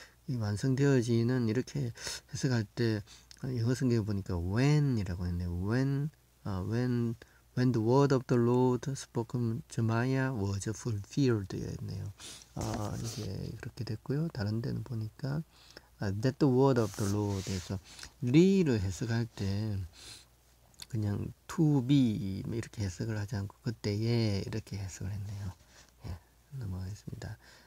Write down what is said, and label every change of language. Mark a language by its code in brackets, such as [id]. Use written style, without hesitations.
[ko] 완성되어지는 이렇게 해석할 때 영어 성경에 보니까 when이라고 했네. [en] when When the word of the Lord spoken to Maya was fulfilled [ko] 였네요. 이제 그렇게 됐고요. 다른 데는 보니까 [en] that the word of the Lord [ko] 해서 리를 해석할 때 그냥 to be 이렇게 해석을 하지 않고 그때에 이렇게 해석을 했네요. 예, 넘어가겠습니다.